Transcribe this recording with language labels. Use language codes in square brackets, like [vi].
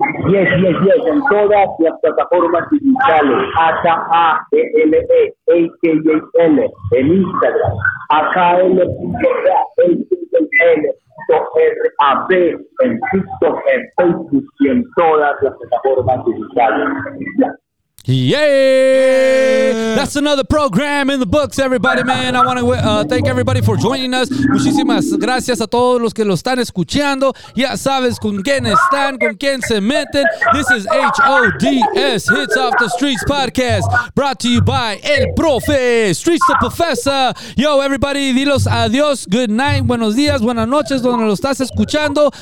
[es] Yes, en todas las plataformas digitales, AKAL, en Instagram, AKAL.RAB, en TikTok, en Facebook y en todas las plataformas digitales. [en] Yeah. That's another program in the books, everybody, man. I want to thank everybody for joining us. [es] Muchísimas gracias a todos los que lo están escuchando. Ya sabes con quién están, con quién se meten. [en] This is HODS, Hits Off the Streets Podcast, brought to you by El Profe, Streets the Professor. Yo, everybody, [es] dilos adiós. [en] Good night, [es] buenos días, buenas noches, donde lo estás escuchando.